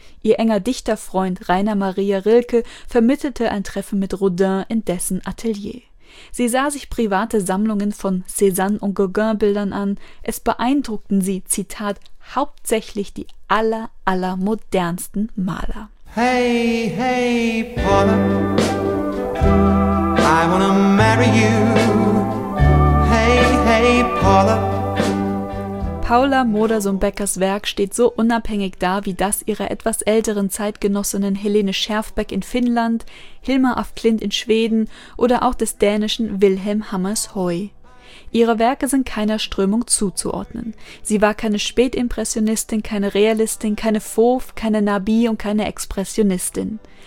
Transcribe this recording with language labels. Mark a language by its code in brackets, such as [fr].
[de] Ihr enger Dichterfreund Rainer Maria Rilke vermittelte ein Treffen mit Rodin in dessen Atelier. Sie sah sich private Sammlungen von Cézanne und Gauguin-Bildern an. Es beeindruckten sie, Zitat, hauptsächlich die aller modernsten Maler. [en] Hey, hey, Paula, I wanna marry you. Hey, hey, Paula. [de] Paula Modersohn-Beckers Werk steht so unabhängig da wie das ihrer etwas älteren Zeitgenossinnen Helene Schärfbeck in Finnland, Hilma af Klint in Schweden oder auch des dänischen Wilhelm Hammershøi. Ihre Werke sind keiner Strömung zuzuordnen. Sie war keine Spätimpressionistin, keine Realistin, keine Fauve, keine Nabi und keine Expressionistin.